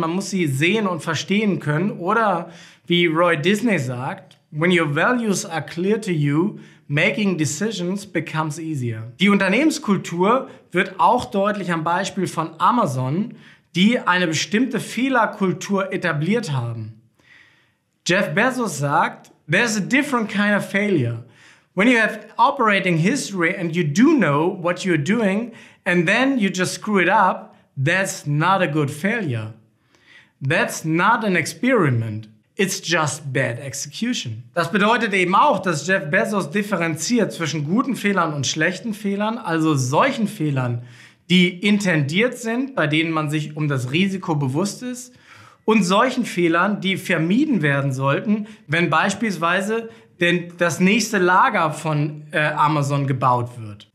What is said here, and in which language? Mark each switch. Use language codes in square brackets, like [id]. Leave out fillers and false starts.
[de] Man muss sie sehen und verstehen können. Oder wie Roy Disney sagt, [en] "When your values are clear to you, making decisions becomes easier." [de] Die Unternehmenskultur wird auch deutlich am Beispiel von Amazon, die eine bestimmte Fehlerkultur etabliert haben. Jeff Bezos sagt, [en] "There's a different kind of failure. When you have operating history and you do know what you're doing and then you just screw it up, that's not a good failure. That's not an experiment. It's just bad execution." [de] Das bedeutet eben auch, dass Jeff Bezos differenziert zwischen guten Fehlern und schlechten Fehlern, also solchen Fehlern, die intendiert sind, bei denen man sich um das Risiko bewusst ist, und solchen Fehlern, die vermieden werden sollten, wenn beispielsweise denn das nächste Lager von Amazon gebaut wird.